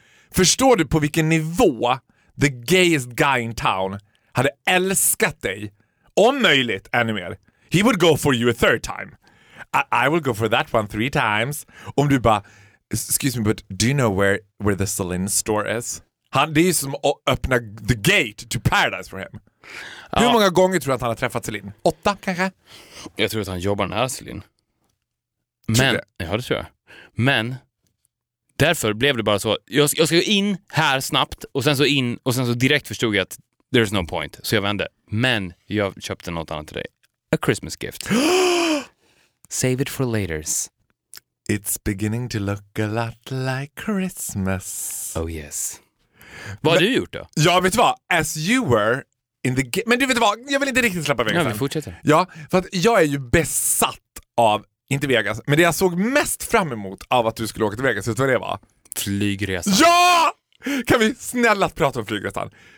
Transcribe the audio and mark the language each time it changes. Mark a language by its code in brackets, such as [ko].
[sv] Förstår du på vilken nivå [en] the gayest guy in town [sv] hade älskat dig? Om möjligt, ännu mer. [en] He would go for you a third time. I will go for that one 3 times. [sv] Om du bara, [en] excuse me, but do you know where the Celine store is? [sv] Han, det är ju som att öppna [en] the gate to paradise for him. [sv] Ja. Hur många gånger tror du att han har träffat Celine? 8 kanske? Jag tror att han jobbar nära Celine. Men, ja, det tror jag. Men därför blev det bara så. Jag ska gå in här snabbt och sen så in och sen så direkt förstod jag att [en] there's no point. [sv] Så jag vände. Men jag köpte något annat till dig. [en] A Christmas gift. Save it for laters. It's beginning to look a lot like Christmas. Oh yes. [sv] Vad har du gjort då? Ja, vet du vad? [en] As you were in the [sv] men du vet vad? Jag vill inte riktigt släppa Vegas. Ja, vi fortsätter. Ja, för att jag är ju besatt av, inte Vegas, men det jag såg mest fram emot av att du skulle åka till Vegas, vet du vad det var? Flygresan. Ja! Kan vi snälla prata om flygresan?